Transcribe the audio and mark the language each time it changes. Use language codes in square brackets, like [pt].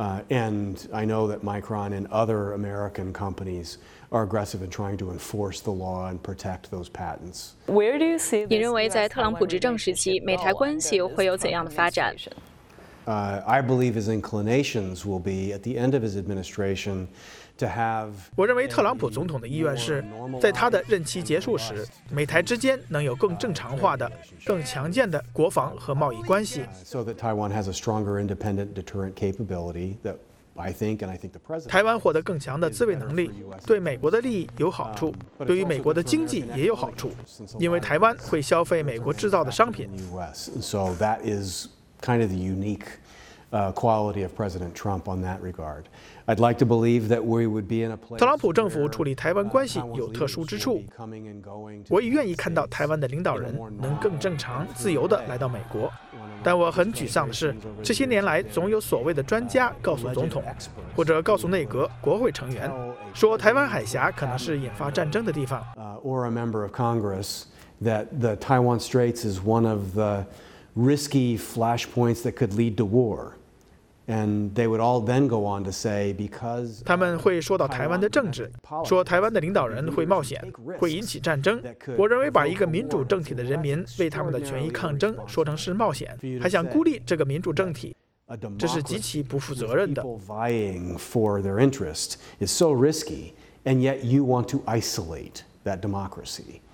[en] And I know that Micron and other American companies are aggressive in trying to enforce the law and protect those patents. Where do you see? [zh] 你认为在特朗普执政时期，美台关系会有怎样的发展？ [en] I believe his inclinations will be at the end of his administration to have. [zh] 我认为特朗普总统的意愿是，在他的任期结束时，美台之间能有更正常化的、更强健的国防和贸易关系。 [en] So that Taiwan has a stronger independent deterrent capability that I think and I think the president. [zh] 台湾获得更强的自卫能力，对美国的利益有好处，对于美国的经济也有好处，因为台湾会消费美国制造的商品。 [en] So that is. Kind of the unique quality of President Trump on that regard. I'd like to believe that we would be in a place. [zh] 特朗普政府处理台湾关系有特殊之处。我也愿意看到台湾的领导人能更正常、自由地来到美国。但我很沮丧的是，这些年来总有所谓的专家告诉总统，或者告诉内阁、国会成员，说台湾海峡可能是引发战争的地方。 [en] Or a member of Congress that the Taiwan Straits is one of the risky flashpoints that could lead to war, and they would all then go on to say because [zh] 他们会说到台湾的政治，说台湾的领导人会冒险，会引起战争。我认为把一个民主政体的人民为他们的权益抗争说成是冒险，还想孤立这个民主政体，这是极其不负责任的。 [en] People vying for their interest is so risky, and yet you want to isolate that democracy.